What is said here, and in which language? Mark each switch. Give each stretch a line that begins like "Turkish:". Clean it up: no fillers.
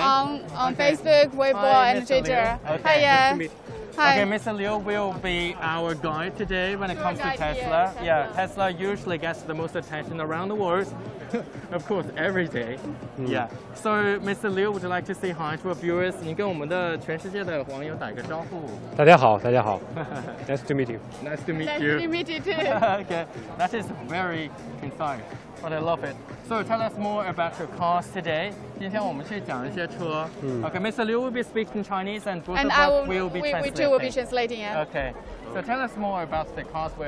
English: On Facebook, Weibo, and Twitter. Okay. Hi. Okay, Mr. Liu will be our guide today when it comes to Tesla. Here. Yeah, Tesla usually gets the most attention around the world. Of course, every day. Mm. Yeah. So, Mr. Liu, would you like to say hi to our viewers?
Chinese: 你跟我们的全世界的网友打个招呼。大家好，大家好。
English: Nice to meet you. Nice to meet you. Nice to meet you too. Okay. That is very concise, but I love it. So, tell us more about your cars today.
Chinese: 今天我们去讲一些车。
English: Mm. Okay, Mr. Liu will be speaking Chinese and both and of us will be translating. And we too will be translating, yeah. Okay. So, tell us more about the cars we're